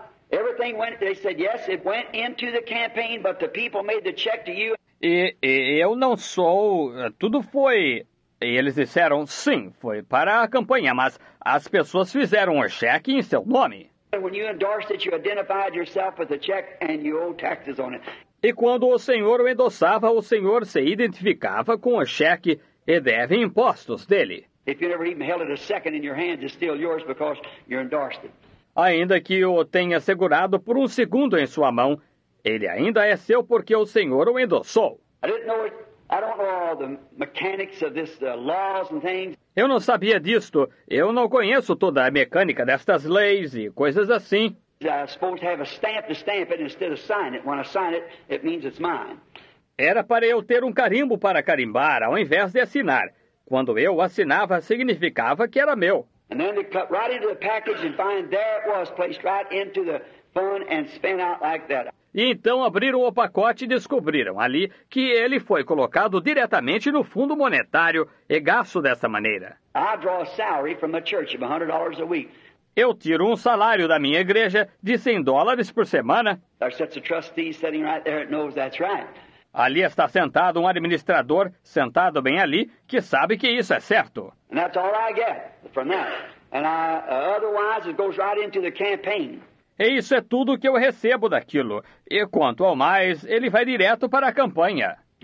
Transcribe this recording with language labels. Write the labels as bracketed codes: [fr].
[en] Everything went, they said yes, it went into the campaign, but the people made the check to you. [pt] E eu não sou, tudo foi, e eles disseram sim, foi para a campanha, mas as pessoas fizeram o cheque em seu nome. [en] When you endorsed it, you identified yourself with the check and you owe taxes on it. [pt] E quando o senhor o endossava, o senhor se identificava com o cheque e deve impostos dele. [en] If you never even held it a second in your hands, it's still yours because you endorsed it. [pt] Ainda que o tenha segurado por um segundo em sua mão, ele ainda é seu porque o senhor o endossou. [en] I don't know all the mechanics of this, the laws and things. [pt] Eu não sabia disto. Eu não conheço toda a mecânica destas leis e coisas assim. [en] I'm supposed to have a stamp to stamp it instead of sign it. When I sign it, it means it's mine. [pt] Era para eu ter um carimbo para carimbar, ao invés de assinar. Quando eu assinava, significava que era meu. [en] And then they cut right into the package and find there it was placed right into the fund and spent out like that. [pt] E então abriram o pacote e descobriram ali que ele foi colocado diretamente no fundo monetário e gasto dessa maneira. [en] I draw a salary from a church of $100 a week. [pt] Eu tiro um salário da minha igreja de $100 por semana. [en] There's a trustee sitting right there that knows that's right. [pt] Ali está sentado um administrador, sentado bem ali, que sabe que isso é certo. [en] And that's all I get from that. And otherwise it goes right into the campaign. [pt] E isso é tudo que eu recebo daquilo. E quanto ao mais, ele vai direto para a campanha.